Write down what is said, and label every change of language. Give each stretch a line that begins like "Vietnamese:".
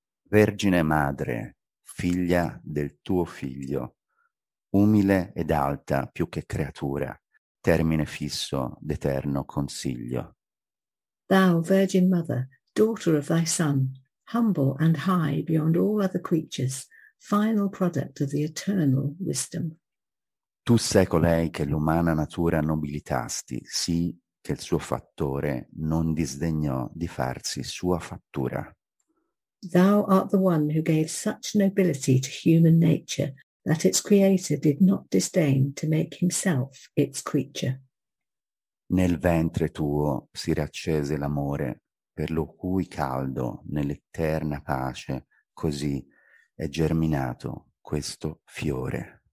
Italian: Vergine madre, figlia del tuo figlio, umile ed alta più che creatura, termine fisso d'eterno consiglio.
English: Thou, Virgin Mother, daughter of thy son, humble and high beyond all other creatures, final product of the eternal wisdom.
Italian: Tu sei colei che l'umana natura nobilitasti, sì che il suo fattore non disdegnò di farsi sua fattura.
English: Thou art the one who gave such nobility to human nature that its creator did not disdain to make himself its creature.
Italian: Nel ventre tuo si riaccese l'amore, per lo cui caldo nell'eterna pace così è germinato questo fiore.